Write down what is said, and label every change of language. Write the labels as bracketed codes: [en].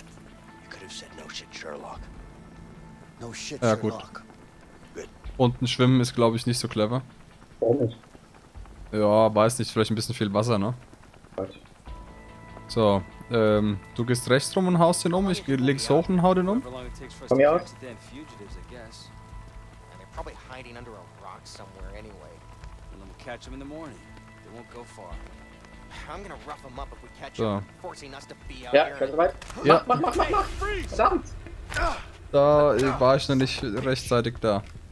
[en] You could have said no shit, Sherlock. No shit, Sherlock. [de] Ja, gut. Unten schwimmen ist, glaube ich, nicht so clever. Warum nicht? Ja, weiß nicht, vielleicht ein bisschen viel Wasser, ne? Was? So, du gehst rechts rum und haust den um, ich geh links hoch und hau den um. Komm hier aus. [en] Catch them in the morning. They won't go far. I'm gonna rough them up if we catch them, forcing us to be out here. [de] Ja, kannst du weit? Mach, mach, mach, mach, mach! Da war ich noch nicht rechtzeitig da.